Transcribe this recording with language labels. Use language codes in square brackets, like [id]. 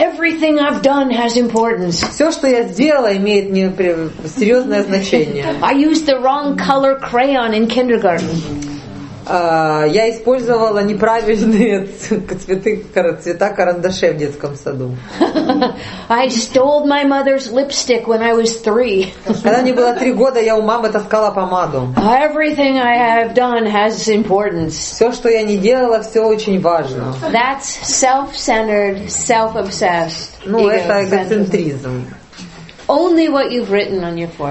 [en] Everything I've done has importance. [ru] Все, что я сделала, имеет мне серьезное значение. [en] I used the wrong color crayon in kindergarten. [ru] Я использовала неправильные цвета карандашей в детском саду. [en] I stole my mother's lipstick when I was three. [ru] Когда мне было 3 года, я у мамы таскала помаду. [en] Everything I have done has importance. [ru] Все, что я не делала, все очень важно. [en] That's self-centered, self-obsessed. [ru] Ну, это эгоцентризм. [en] Only what you've written on your fourth.